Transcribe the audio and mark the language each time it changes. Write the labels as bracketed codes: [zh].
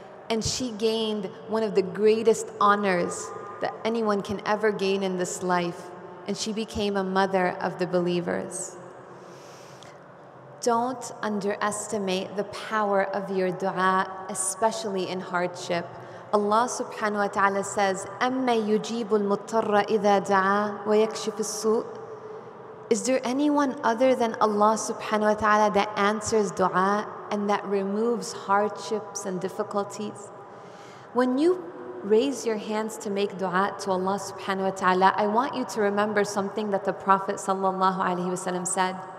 [en] And she gained one of the greatest honors that anyone can ever gain in this life. And she became a mother of the believers. Don't underestimate the power of your dua, especially in hardship. Allah subhanahu wa ta'ala says, [ar] أَمَّا يُجِيبُ الْمُضْطَرَّ إِذَا دَعَى وَيَكْشِفِ السُّوءِ. [en] Is there anyone other than Allah subhanahu wa ta'ala that answers dua and that removes hardships and difficulties? When you raise your hands to make dua to Allah subhanahu wa ta'ala, I want you to remember something that the Prophet sallallahu alayhi wa sallam said.